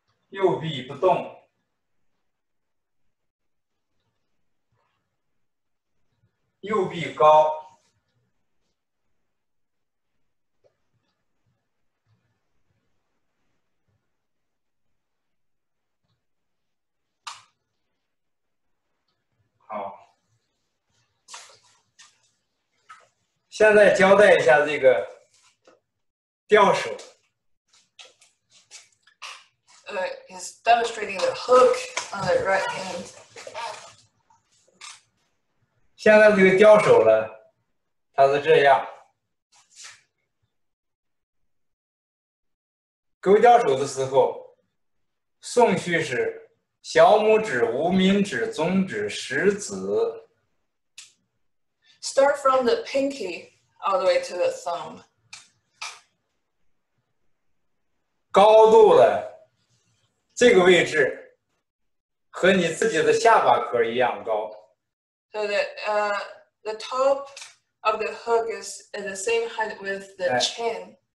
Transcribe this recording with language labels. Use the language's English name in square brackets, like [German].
[Chinese] 右臂不动，右臂高，好。现在交代一下这个吊手。 [English] He's demonstrating the hook on the right hand. [Chinese] 现在这个吊手呢，它是这样。勾吊手的时候，顺序是小拇指、无名指、中指、食指。 [English] Start from the pinky all the way to the thumb. [Chinese] 高度呢？这个位置和你自己的下巴壳一样高。 [English] So that, the top of the hook is at the same height with the chin.